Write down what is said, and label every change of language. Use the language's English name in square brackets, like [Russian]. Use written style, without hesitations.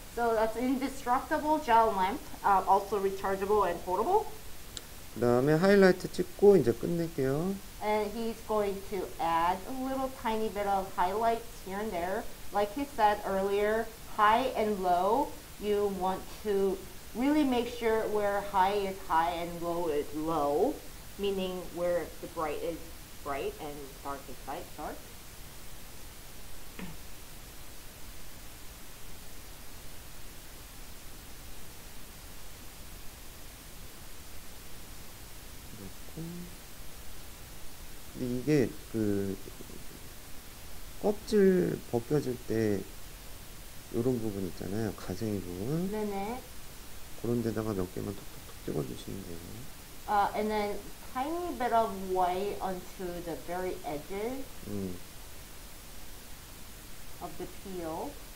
[English] So that's indestructible gel lamp, also rechargeable and portable. [Korean] 그 다음에 하이라이트 찍고 이제 끝낼게요. [English] And he's going to add a little tiny bit of highlights here and there. Like he said earlier, high and low, you want to really make sure where high is high and low is low, meaning where the bright is bright and dark is light, dark. But [Korean] 이게 그 껍질 벗겨질 때 이런 부분 있잖아요, 가생이 부분. 네네. 그런 데다가 몇 개만 톡톡톡 찍어주시면 돼요. [English] And then tiny bit of white onto the very edges of the peel.